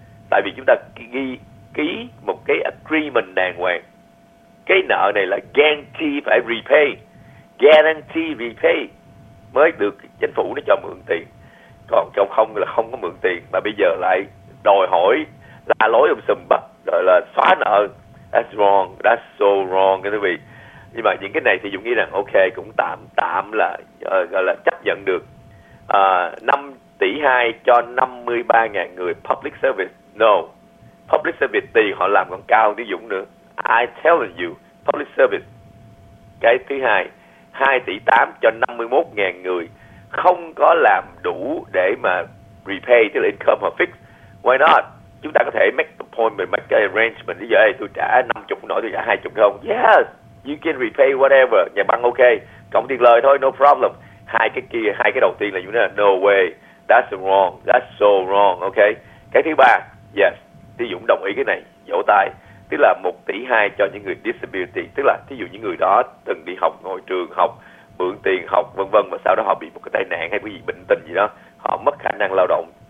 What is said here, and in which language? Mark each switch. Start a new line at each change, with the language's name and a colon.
Vietnamese: Tại vì chúng ta ký một cái agreement đàng hoàng, cái nợ này là guarantee phải repay, guarantee repay mới được chính phủ nó cho mượn tiền. Còn trong không là không có mượn tiền, mà bây giờ lại đòi hỏi la lối ông sùm bắp rồi là xóa nợ.
English: That's wrong, that's so wrong,
Vietnamese: các quý vị. Nhưng mà những cái này thì Dũng nghĩ rằng ok, cũng tạm là gọi là chấp nhận được. 5.2 tỷ cho 53.000 người public service.
English: No, public service
Vietnamese: tiền họ làm còn cao hơn tí Dũng nữa.
English: I tell you, public service.
Vietnamese: Cái thứ hai, 2.8 tỷ cho 51.000 người không có làm đủ để mà repay, tức là income hoặc fix.
English: Why not?
Vietnamese: Chúng ta có thể
English: make the point, make the arrangement.
Vietnamese: Bây giờ tôi trả 50 nổi, tôi trả 20 không?
English: Yes, you can repay whatever.
Vietnamese: Nhà băng ok, cộng tiền lời thôi,
English: no problem.
Vietnamese: Hai cái đầu tiên là như thế,
English: no way, that's wrong, that's so wrong, ok.
Vietnamese: Cái thứ ba, yes, Thí Dũng đồng ý cái này, vỗ tay. Tức là 1 tỷ 2 cho những người disability, tức là thí dụ những người đó từng đi học, ngồi trường học, mượn tiền học, vân vân, và sau đó họ bị một cái tai nạn hay cái gì, bệnh tình gì đó, họ mất khả năng lao động.